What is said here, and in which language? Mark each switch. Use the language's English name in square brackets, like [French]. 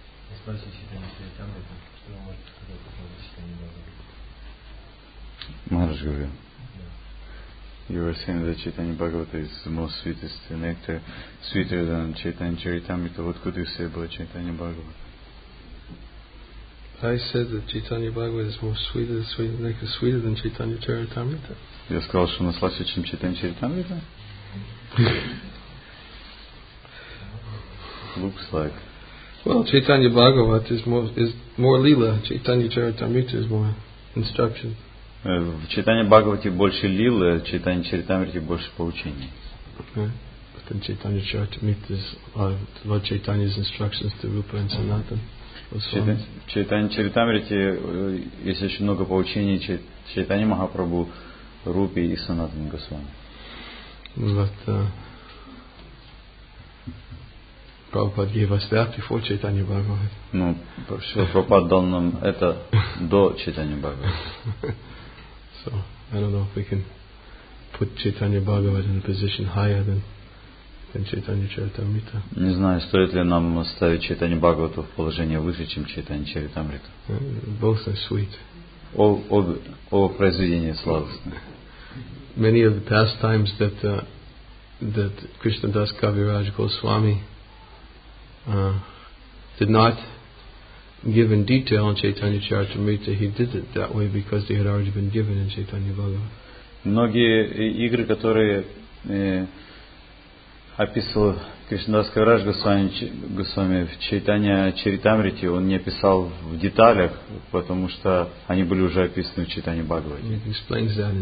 [Russian] Не спрашивайте читание Чайтамриты, что вы можете сказать по поводу читания Бхагавата? Махарадж говорил. [English] You were saying that Chaitanya Bhagavata is the most sweetest nectar, sweeter than Chaitanya Charitamrita. What could you say about Chaitanya Bhagavata? I said that Chaitanya Bhagavata is more sweeter than Chaitanya Charitamrita. [Russian] Я сказал, что она слаще, чем Chaitanya Charitamrita? [English] Looks like. Well, Chaitanya Bhagavat is more lila. Chaitanya Charitamrita is more instruction. [Russian] В Чайтанье Бхагавате больше лилы, в Чайтанье Чаритамрите больше поучений. [English] Okay. In Chaitanya Charitamrita is Lord Chaitanya's instructions to Rupa and Sanatana. [Russian] В Чайтанье Чаритамрите есть очень много поучений Чайтанье Махапрабху, Рупе и Санатане Госвами. [English] But Prabhupada gave us that before Chaitanya Bhagavat. [Russian] Ну, Шрила Прабхупада дал нам это до Чайтанья Бхагавата. [English] So I don't know if we can put Chaitanya Bhagavat in a position higher than Chaitanya Charitamrita. [Russian] Не знаю, стоит ли нам ставить Чайтанья Бхагавату в положение выше, чем Чайтанья Чаритамрита. [English] Both are sweet. [Russian] Оба произведения сладостные. [English] Many of the pastimes that Krishna Das Kaviraj Goswami did not give in detail in Chaitanya Charitamrita, he did it that way because they had already been given in Chaitanya Bhagavat. [Russian] Многие игры, которые описывал Кришнадас Кавираж Госвами в Чайтанья Чаритамрите, он не описал в деталях, потому что они были уже описаны в Чайтанье Бхагавате.